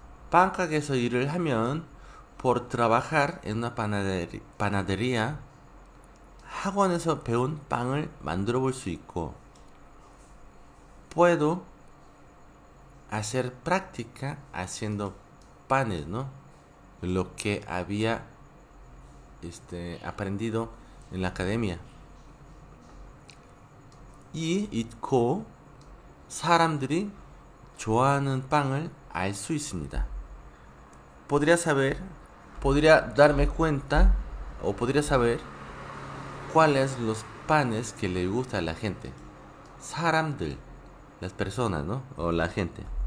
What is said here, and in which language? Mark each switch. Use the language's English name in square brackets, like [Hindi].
[Korean] Pan 가게에서 일을 하면 [Spanish] por trabajar en una panadería, [Korean] 학원에서 배운 빵을 만들어 볼수 있고, [Spanish] puedo hacer práctica haciendo panes, ¿no? Lo que había aprendido en la academia. [Korean] Y 있고, 사람들이 좋아하는 빵을 알수 있습니다. [Spanish] Podría saber, podría darme cuenta o podría saber cuáles los panes que le gusta a la gente. Saramdel, las personas, ¿no? O la gente.